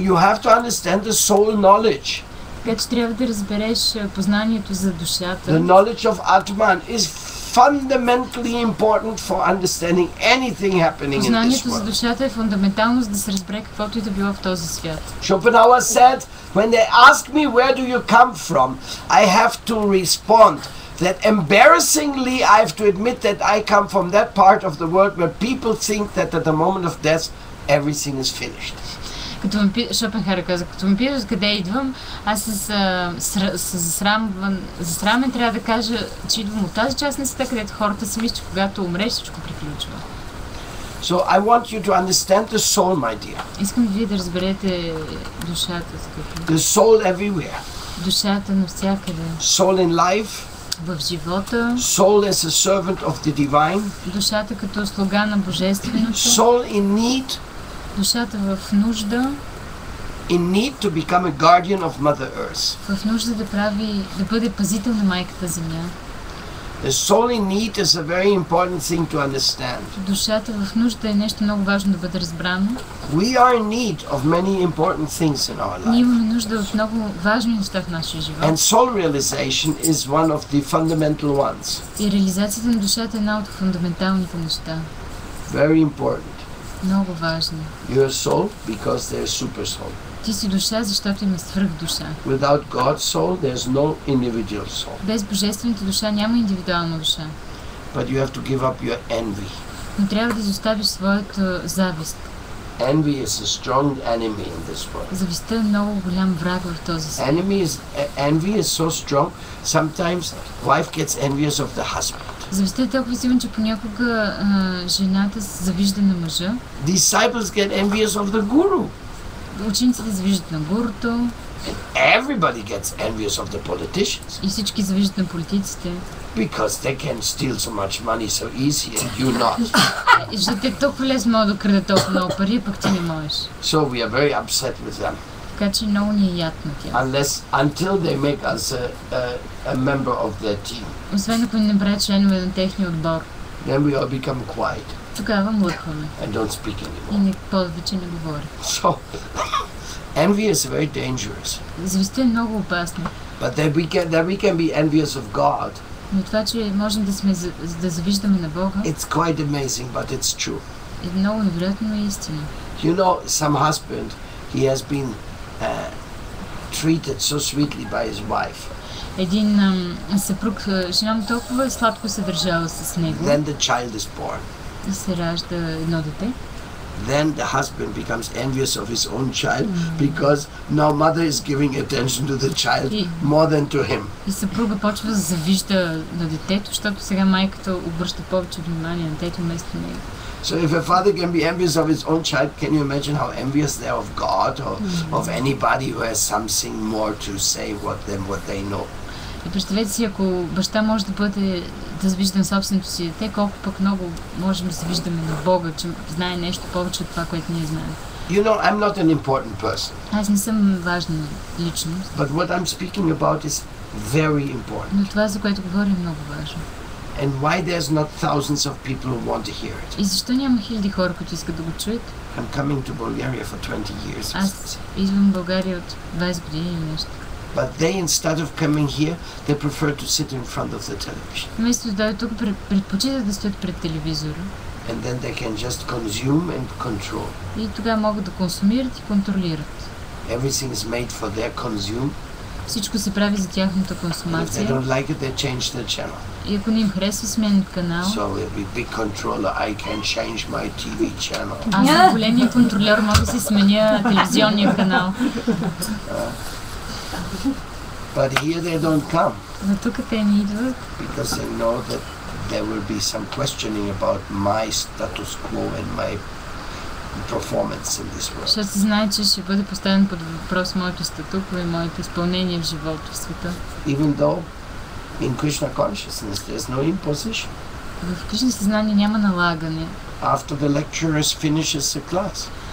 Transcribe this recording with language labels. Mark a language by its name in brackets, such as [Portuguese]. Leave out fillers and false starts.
[English] So you have to understand the soul knowledge. [Bulgarian] Така че трябва да разбереш познанието за душата. [English] The knowledge of Atman is fundamentally important for understanding anything happening in this world. [Bulgarian] Познанието за душата е фундаментално, за да се разбере каквото и да било в този свят. [English] Schopenhauer said, when they ask me where do you come from, I have to respond that embarrassingly I have to admit that I come from that part of the world where people think that at the moment of death everything is finished. [Bulgarian] Като ме питаш, Шопенхауер каза, като ме питаш къде идвам, аз се засрамен трябва да кажа, че идвам от тази част на света, където хората си мислят, че когато умреш, всичко приключва. [English] So I want you to understand the soul, my dear. [Bulgarian] Искам вие да разберете душата, скъпи. [English] The soul everywhere. [Bulgarian] Душата навсякъде. [English] Soul in life. [Bulgarian] В живота. [English] Soul as a servant of the divine. [Bulgarian] Душата като слуга на божественото. [English] Soul in need. [Bulgarian] Душата в нужда. [English] In need to become a guardian of Mother Earth. [Bulgarian] В нужда да бъде пазител на майката Земя. [English] The soul in need is a very important thing to understand. [Bulgarian] Душата в нужда е нещо много важно да бъде разбрано. [English] We are in need of many important things in our life. [Bulgarian] Ние имаме нужда от много важни неща в нашия живот. [English] And soul realization is one of the fundamental ones. [Bulgarian] И реализацията на душата е една от фундаменталните неща. [English] Very important. [Bulgarian] Много важно. [English] You are soul because there is super soul. [Bulgarian] Ти си душа, защото има свръх душа. [English] Without God's soul, there is no individual soul. [Bulgarian] Без божествената душа няма индивидуална душа. [English] But you have to give up your envy. [Bulgarian] Но трябва да изоставиш своята завист. [English] Envy is a strong enemy in this world. [Bulgarian] Завистта е много голям враг в този свят. [English] Enemy is envy is so strong. Sometimes wife gets envious of the husband. [Bulgarian] Завистта е толкова силна, че понякога жената завижда на мъжа. [English] Disciples get envious of the guru. [Bulgarian] Учениците завиждат на гуруто. [English] And everybody gets envious of the politicians. [Bulgarian] И всички завиждат на политиците. [English] Because they can steal so much money so easy and you not. [Bulgarian] Защото те толкова лесно могат да крадат толкова много пари, пък ти не можеш. [English] So we are very upset with them. [Bulgarian] Така че много ни е яд на тях. [English] Unless, until they make us a member of their team. [Bulgarian] Освен ако ни не правят членове на техния отбор. [English] Then we all become quiet. [Bulgarian] Тогава млъкваме. [English] And don't speak anymore. [Bulgarian] И повече не говори. [English] So, envy is very dangerous. [Bulgarian] Завистта е много опасна. [English] But that we can be envious of God. [Bulgarian] Но това, че можем да завиждаме на Бога. [English] It's quite amazing, but it's true. [Bulgarian] Е много невероятно, но е истина. [English] You know, some husband, he has been treated so sweetly by his wife. [Bulgarian] Един съпруг, жена му толкова сладко се държала с него. [English] Then the child is born. [Bulgarian] И се ражда едно дете. [English] Then the husband becomes envious of his own child because now mother is giving attention to the child more than to him. [Bulgarian] И съпруга почва да завижда на детето, защото сега майката обръща повече внимание на детето вместо него. [English] So if a father can be envious of his own child, can you imagine how envious they are of God or of anybody who has something more to say than what they know? [Bulgarian] И представете си, ако баща може да бъде да завиждам собственото си дете, колко пък много можем да се виждаме на Бога, че знае нещо повече от това, което ние знаем. [English] You know, I'm not an important person. [Bulgarian] Аз не съм важна личност. [English] But what I'm speaking about is very important. [Bulgarian] Но това, за което говорим, е много важно. [English] And why there's not thousands of people who want to hear it? [Bulgarian] И защо няма хиляди хора, които искат да го чуят? [English] I'm coming to Bulgaria for 20 years. [Bulgarian] Аз идвам в България от 20 години или нещо. [English] But they, instead of coming here, they prefer to sit in front of the television. [Bulgarian] Вместо да дойдат тук, предпочитат да стоят пред телевизора. [English] And then they can just consume and control. [Bulgarian] И тогава могат да консумират и контролират. [English] Everything is made for their consume. [Bulgarian] Всичко се прави за тяхната консумация. [English] And if they don't like it, they change their channel. [Bulgarian] И ако не им харесва, сменят канал. [English] So with big controller, I can change my TV channel. [Bulgarian] Аз съм големия контролер, мога да си сменя телевизионния канал. [English] But here they don't come. [Bulgarian] Но тук те не идват. [English] Because they know that there will be some questioning about my status quo and my performance in this world. [Bulgarian] Защото знае, че ще бъде поставен под въпрос моето статукво и моето изпълнение в живота в света. [English] Even though in Krishna consciousness there's no imposition. [Bulgarian] В Кришна съзнание няма налагане. [English] After the lecturer finishes the class.